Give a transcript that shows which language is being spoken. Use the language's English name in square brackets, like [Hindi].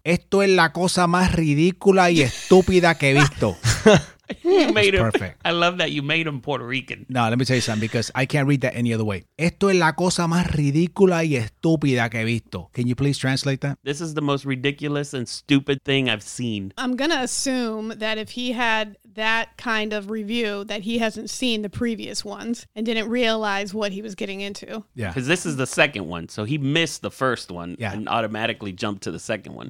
[Spanish] Esto es la cosa más ridícula y estúpida que he visto. [English] You made him, perfect. I love that you made him Puerto Rican. No, let me tell you something, because I can't read that any other way. [Spanish] Esto es la cosa más ridícula y estúpida que he visto. [English] Can you please translate that? This is the most ridiculous and stupid thing I've seen. I'm going to assume that if he had that kind of review, that he hasn't seen the previous ones and didn't realize what he was getting into. Yeah. Because this is the second one. So he missed the first one yeah. and automatically jumped to the second one.